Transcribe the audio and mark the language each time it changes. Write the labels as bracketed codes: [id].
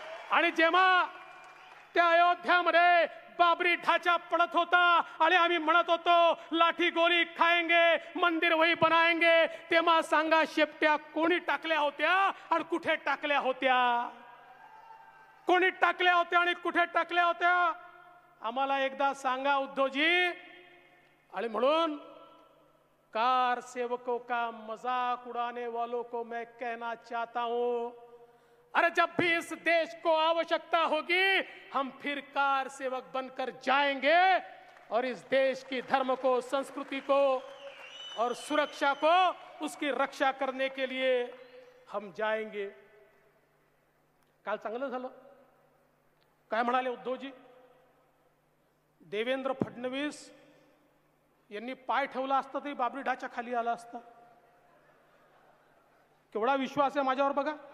[mr] आणि जेव्हा त्या अयोध्यामध्ये बाबरी ढाचा पडत होता आणि आम्ही म्हणत होतो [hi] लाठी गोळी खायंगे मंदिर वही बनायंगे, [mr] तेव्हा सांगा शेपट्या कोणी टाकल्या होत्या आणि कुठे टाकल्या होत्या, कोणी टाकल्या होत्या आणि कुठे टाकल्या होत्या आम्हाला एकदा सांगा उद्धवजी. [hi] आणि म्हणून कार सेवको का मजाक उडाने वालों को मैं कहना चाहता हूं, अरे जब भी इस देश को आवश्यकता होगी हम फिर कार सेवक बनकर जाएंगे और इस देश की धर्म को, संस्कृति को और सुरक्षा को, उसकी रक्षा करने के लिए हम जाएंगे. [mr] काल चांगलं झालं काय म्हणाले उद्धवजी, देवेंद्र फडणवीस यांनी पाय ठेवला असता तरी बाबरी ढाच्या खाली आला असता. केवढा विश्वास आहे माझ्यावर बघा.